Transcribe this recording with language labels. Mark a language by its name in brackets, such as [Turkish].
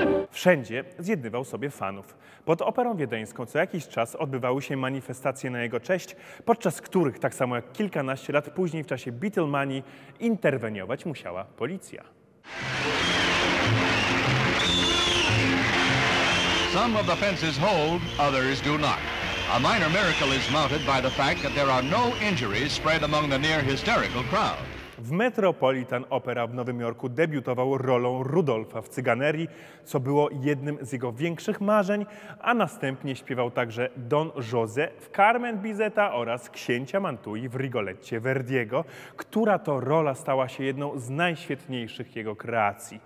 [Polish] Wszędzie zjednywał sobie fanów. Pod Operą Wiedeńską co jakiś czas odbywały się manifestacje na jego cześć, podczas których, tak samo jak kilkanaście lat później w czasie Beatlemanii, interweniować musiała policja. [English] Some of the fences hold, others do not. A minor miracle is mounted by the fact that there are no injuries spread among the near hysterical crowd. [Polish] W Metropolitan Opera w Nowym Jorku debiutował rolą Rudolfa w Cyganerii, co było jednym z jego większych marzeń, a następnie śpiewał także Don José w Carmen Bizeta oraz Księcia Mantui w Rigolecie Verdiego, która to rola stała się jedną z najświetniejszych jego kreacji.